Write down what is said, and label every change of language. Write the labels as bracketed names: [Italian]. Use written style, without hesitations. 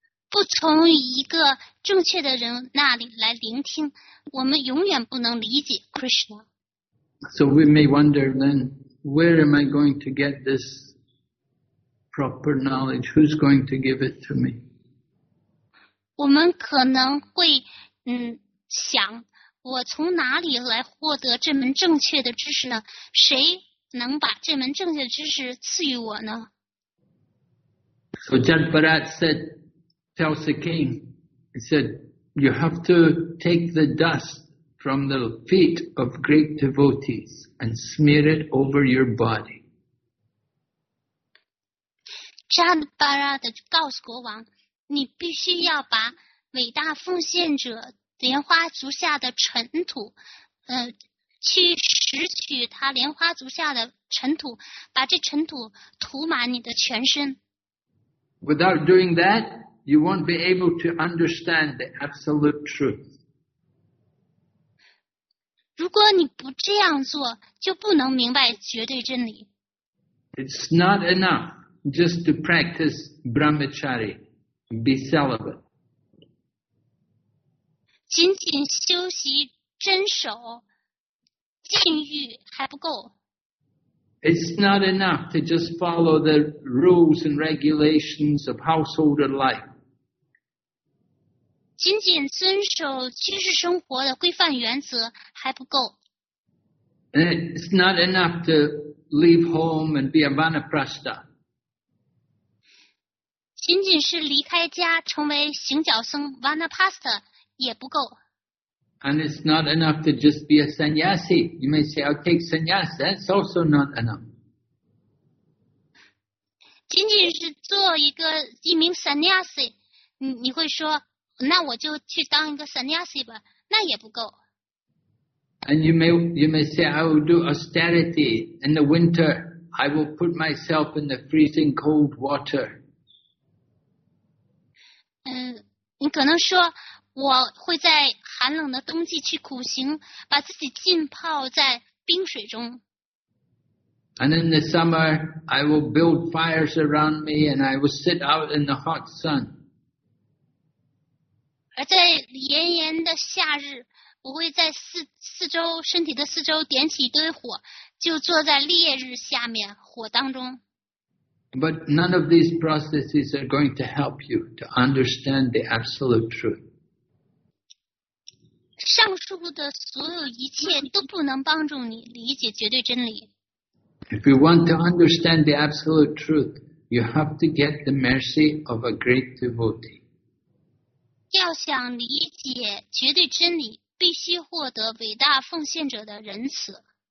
[Chinese] 不从一个正确的人那里来聆听，我们永远不能理解 Krishna。 [English] So we may wonder then, where am I going to get this proper knowledge? Who's going to give it to me? [Chinese] 我们可能会想我从哪里来获得这门正确的知识呢？谁能把这门正确的知识赐予我呢？ [English] So Jadbarat said, tells the king, he said, you have to take the dust from the feet of great devotees and smear it over your body. [Chinese] Jadbarat 告诉国王，你必须要把伟大奉献者莲花足下的尘土，去拾取他莲花足下的尘土，把这尘土涂满你的全身。 [English] Without doing that, you won't be able to understand the absolute truth. [Chinese] 如果你不这样做，就不能明白绝对真理。 [English] It's not enough just to practice brahmachari. Be celibate. [Chinese] 仅仅修习真守禁欲还不够。 [English] It's not enough to just follow the rules and regulations of household life. [Chinese] 仅仅遵守居士生活的规范原则还不够。 [English] It's not enough to leave home and be a vanaprastha. [Chinese] 仅仅是离开家成为行脚僧 Vanaprastha 也不够。 [English] And it's not enough to just be a sannyasi. You may say, I'll take sannyasi. That's also not enough. [Chinese] 仅仅是做一名 sannyasi, 你会说，那我就去当一个 sannyasi 吧，那也不够。 [English] And you may say, I will do austerity in the winter. I will put myself in the freezing cold water. [Chinese] 你可能说我会在寒冷的冬季去苦行，把自己浸泡在冰水中。 [English] And in the summer, I will build fires around me and I will sit out in the hot sun. [Chinese] 而在炎炎的夏日，我会在四周身体的四周点起一堆火，就坐在烈日下面火当中。 [English] But none of these processes are going to help you to understand the absolute truth. [Chinese] 上述的所有一切都不能帮助你理解绝对真理。 [English] If you want to understand the absolute truth, you have to get the mercy of a great devotee. [Chinese] 要想理解绝对真理，必须获得伟大奉献者的仁慈。